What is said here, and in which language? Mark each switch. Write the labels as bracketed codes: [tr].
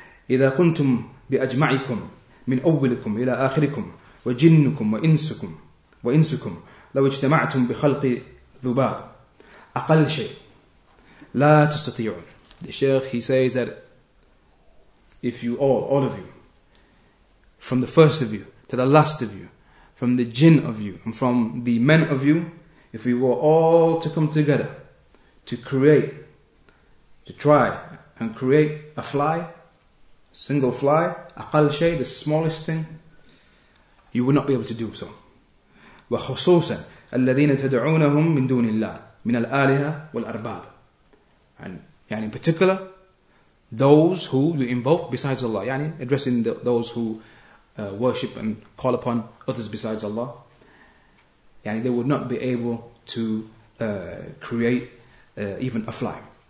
[ar] إذا كنتم بأجمعكم من أولكم إلى آخركم وجنكم وإنسكم لو اجتمعتم بخلق ذباب أقل شيء لا تستطيعون. [en] The Shaykh, he says that if you all of you, from the first of you to the last of you, from the jinn of you and from the men of you, if we were all to come together to create, to try and create a fly, single fly, [ar] أقل شيء, [en] the smallest thing, you would not be able to do so. [ar] وخصوصا الذين تدعونهم من دون الله من الآلهة والأرباب. [en] And يعني in particular, those who you invoke besides Allah, يعني addressing those who worship and call upon others besides Allah, yani they would not be able to create even a fly.